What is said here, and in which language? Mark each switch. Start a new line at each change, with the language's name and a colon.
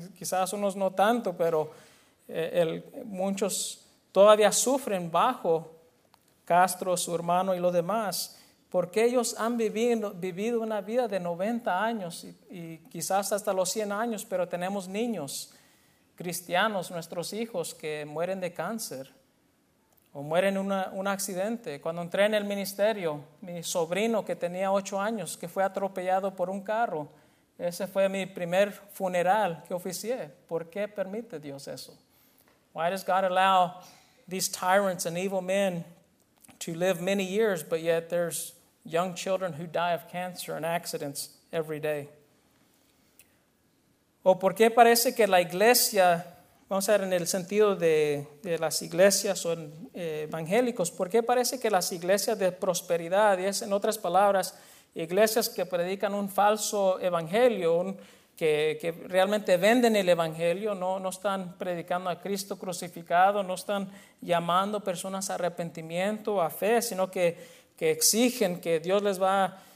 Spanish: Quizás unos no tanto, pero muchos todavía sufren bajo Castro, su hermano y los demás, porque ellos han vivido una vida de 90 años y quizás hasta los 100 años, pero tenemos niños cristianos, nuestros hijos, que mueren de cáncer o mueren en un accidente. Cuando entré en el ministerio, mi sobrino que tenía 8 años, que fue atropellado por un carro, ese fue mi primer funeral que oficié. ¿Por qué permite Dios eso?
English: Why does God allow these tyrants and evil men to live many years, but yet there's young children who die of cancer and accidents every day?
Spanish: ¿O por qué parece que la iglesia, vamos a ver, en el sentido de las iglesias o evangélicos, por qué parece que las iglesias de prosperidad, y es en otras palabras, iglesias que predican un falso evangelio, que realmente venden el evangelio, no están predicando a Cristo crucificado, no están llamando personas a arrepentimiento, a fe, sino que exigen que Dios les va a